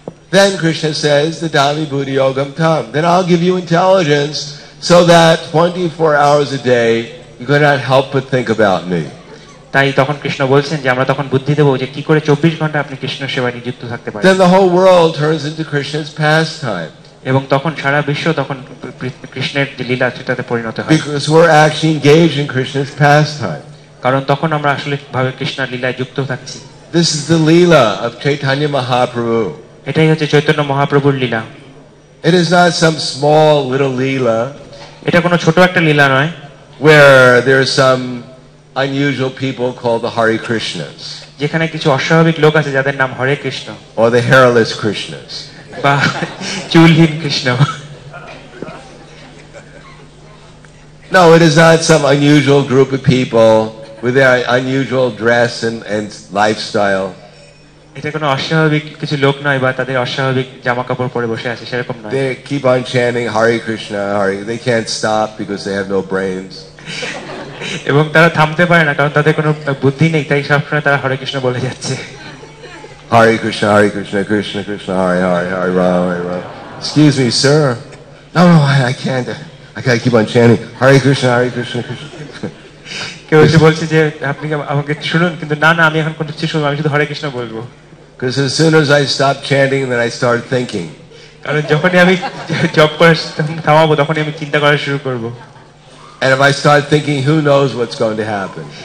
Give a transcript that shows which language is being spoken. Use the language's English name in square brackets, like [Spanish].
[English] Then Krishna says, the Dami Buddhi Yogam Tam. Then I'll give you intelligence so that 24 hours a day you cannot help but think about me. [Bangla] তাই তখন কৃষ্ণ বলছেন যে আমরা তখন বুদ্ধি দেব যে কি করে 24 ঘন্টা আপনি কৃষ্ণের সেবা নিযুক্ত থাকতে পারেন [English] then the whole world turns into krishna's pastime [Bangla] এবং তখন সারা বিশ্ব তখন কৃষ্ণের লীলা চিত্রতে পরিণত হয় [English] because we're actually engaged in krishna's pastime [Bangla] কারণ তখন আমরা আসলে ভাবে কৃষ্ণের লীলায় যুক্ত থাকছি [English] this is the leela of chaitanya mahaprabhu [Bangla] এটাই হচ্ছে চৈতন্য মহাপ্রভুর লীলা [English] it is not some small little leela [Bangla] এটা কোনো ছোট একটা লীলা নয় [English] where there is some unusual people called the Hare Krishnas [Bangla] যেখানে কিছু অস্বাভাবিক লোক আছে যাদের নাম হরে Krishna [English] or the hairless krishnas [Bangla] বা চুলহীন Krishna [English] no it is not some unusual group of people with their unusual dress and lifestyle [Bangla] এটা কোনো অস্বাভাবিক কিছু লোক নয় বা তাদের অস্বাভাবিক জামা কাপড় পরে বসে আছে সেরকম নয় [English] they keep on chanting Hare Krishna Hare they can't stop because they have no brains [Bangla] এবং তারা থামতে পারে না কারণ তাদের কোনো বুদ্ধি নেই তাই সবসময় তারা হরে কৃষ্ণ বলে যাচ্ছে [Sanskrit] হরে কৃষ্ণ হরে কৃষ্ণ কৃষ্ণ কৃষ্ণ হরে হরে হরে রাম হরে Ram [English] excuse me sir no no I can't I can't keep on chanting [Sanskrit] হরে কৃষ্ণ হরে কৃষ্ণ কৃষ্ণ [Bangla] কেউ এসে বলছে যে আপনি আমাকে শুনুন কিন্তু না না আমি এখন কোনো কিছু শুনবো আমি শুধু হরে কৃষ্ণ বলবো [English] because as soon as I stop chanting then I start thinking [Bangla] কারণ যখনই আমি জপ করা থামাবো তখনই আমি চিন্তা করা শুরু করব [English] And if I start thinking, who knows what's going to happen?